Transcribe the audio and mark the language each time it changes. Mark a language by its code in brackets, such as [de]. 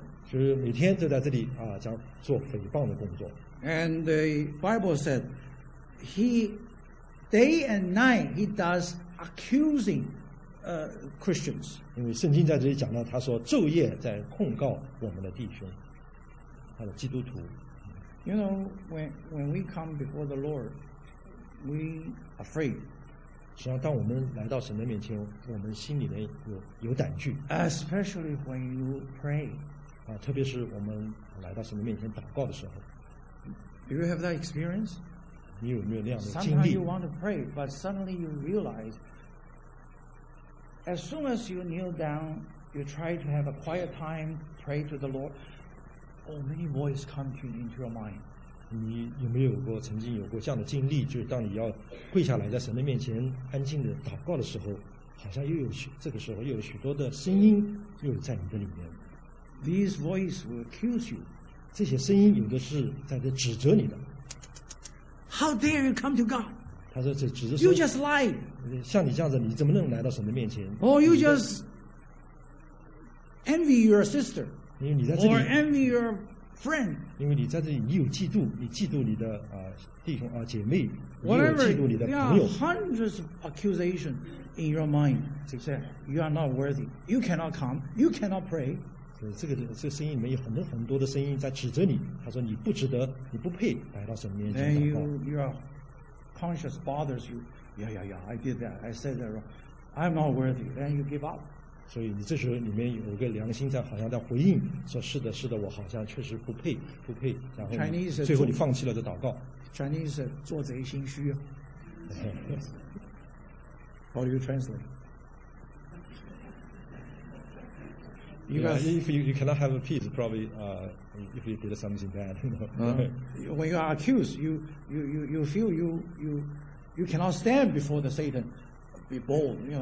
[zh] 就是每天都在这里啊，讲做诽谤的工作。 [en] And the Bible said, he day and night he does accusing, Christians. [zh] 因为圣经在这里讲到，他说昼夜在控告我们的弟兄，他的基督徒。 [en] You know, when we come before the Lord, we afraid. [zh] 实际上当我们来到神的面前我们心里面 有胆惧 [en] especially when you pray、 [zh] 特别是我们来到神的面前祷告的时候 [en] do you have that experience? [zh] 你有没有那样的经历 [en] sometimes you want to pray but suddenly you realize as soon as you kneel down you try to have a quiet time pray to the Lord many voices come to you into your mind [zh] 你有没有过曾经有过这样的经历就是当你要跪下来在神的面前安静的祷告的时候好像又有这个时候又有许多的声音又在你的里面 [en] These voices will accuse you [zh] 这些声音有的是在这指责你的 [en] How dare you come to God [zh] 他说这指责 [en] You just lied [zh] 像你这样子你怎么能来到神的面前 [en] Or you just envy your sister [zh] 因为你在这里 [en] Or envy your friend [zh] 因为你在这里你有嫉妒你嫉妒你的、弟兄、姐妹 [en] Whatever, [zh] 你有嫉妒你的朋友 [en] there are hundreds of accusations in your mind to say you are not worthy you cannot come you cannot pray [zh] 这个声音里面有很多很多的声音在指责你他说你不值得你不配来到神面前 [en] then your conscience bothers you I did that I said that wrong I'm not worthy then you give up [zh] 所以你这时候里面有个良心在好像在回应说是的是的我好像确实不配然后你最后你放弃了这祷告 [en] Chinese [zh] 做贼心虚 [en] How do you translate? If you cannot have a peace probably if you did something bad When you are accused you feel you cannot stand before the Satan be bold